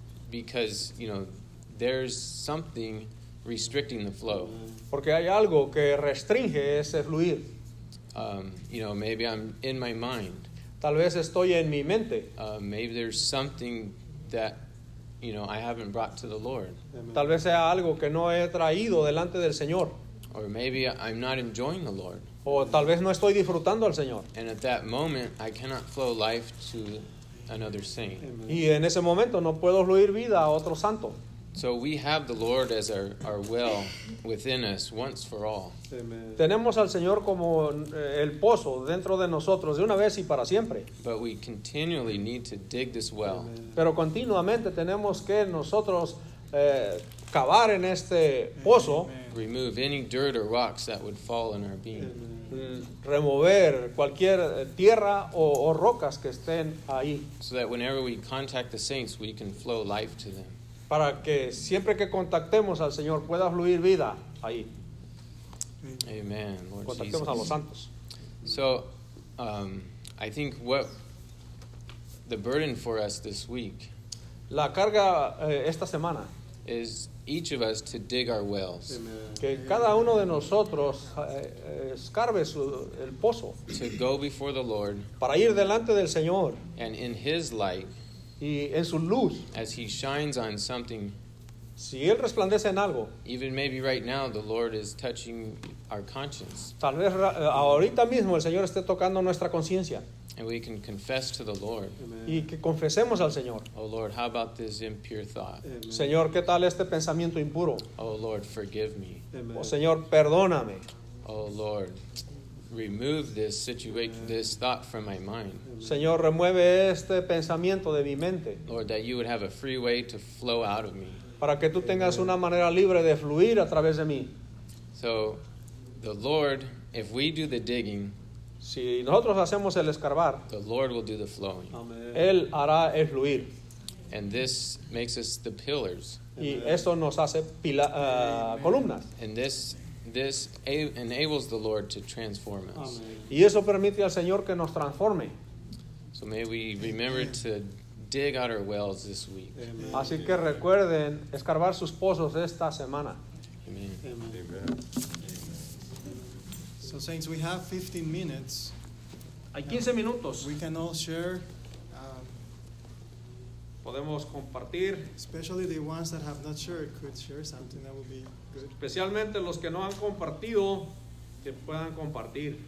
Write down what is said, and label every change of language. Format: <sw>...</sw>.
<en>Because, you know, there's something restricting the flow.</en> <es>Porque hay algo que restringe ese fluir.</es> <en>You know, maybe I'm in my mind.</en> <es>Tal vez estoy en mi mente.</es> <en>Maybe there's something that, you know, I haven't brought to the Lord. Amen.</en> <es>Tal vez sea algo que no he traído delante del Señor.</es> <en>Or maybe I'm not enjoying the Lord.</en> <es>O tal vez no estoy disfrutando al Señor.</es> <en>And at that moment, I cannot flow life to another saint. Amen.</en> <es>Y en ese momento no puedo fluir vida a otro santo.</es> <en>So we have the Lord as our well within us once for all. Amen.</en> <es>Tenemos al Señor como el pozo dentro de nosotros de una vez y para siempre.</es> <en>But we continually need to dig this well. Amen.</en> <es>Pero continuamente tenemos que nosotros cavar en este pozo.</es> <en>Amen. Remove any dirt or rocks that would fall in our being. Amen.</en> <es>Remover cualquier tierra o rocas que estén ahí.</es> <en>So that whenever we contact the saints, we can flow life to them.</en> <es>Para que siempre que contactemos al Señor pueda fluir vida ahí.</es> <en>Amen. Lord</en> <es>contactemos</es> <en>Jesus.</en> <es>A los santos.</es> <en>So, I think what the burden for us this week.</en> <es>La carga esta semana.</es> <en>Is each of us to dig our wells. Amen.</en> <es>Que cada uno de nosotros escarbe su, el pozo.</es> <en>To go before the Lord.</en> <es>Para ir delante del Señor.</es> <en>And in His light.</en> <es>Y en su luz,</es> <en>as he shines on something,</en> <es>si él resplandece en algo,</es> <en>even maybe right now the Lord is touching our conscience.</en> <es>Tal vez ahorita mismo el Señor esté tocando nuestra conciencia.</es> <en>And we can confess to the Lord.</en> <es>Amen. Y que confesemos al Señor.</es> <en>Oh Lord, how about this impure thought? Amen.</en> <es>Señor, ¿qué tal este pensamiento impuro?</es> <en>Oh Lord, forgive me.</en> <es>Amen. Oh Señor, perdóname.</es> <en>Oh Lord, remove this situation, Amen. This thought from my mind.</en> <es>Amen. Señor, remueve este pensamiento de mi mente.</es> <en>Lord, that you would have a free way to flow out of me.</en> <es>Para que tú Amen. Tengas una manera libre de fluir a través de mí.</es> <en>So, the Lord, if we do the digging,</en> <es>si nosotros hacemos el escarbar,</es> <en>the Lord will do the flowing.</en> <es>Amen. Él hará el fluir.</es> <en>And this makes us the pillars.</en> <es>Amen. Y esto nos hace pila, columnas.</es> <en>And this enables the Lord to transform us.</en> <es>Y eso permite al Señor que nos transforme.</es> <en>So may we remember Amen. To dig out our wells this week. Amen.</en> <es>Así que recuerden escarbar sus pozos esta semana.</es> <en>Amen. Amen. Amen. So saints, we have 15 minutes.</en> <es>Hay 15 minutos.</es> <en>We can all share.</en> <es>Podemos compartir.</es> <en>Especially the ones that have not shared could share something that would be good.</en> <es>Especialmente los que no han compartido, que puedan compartir.</es>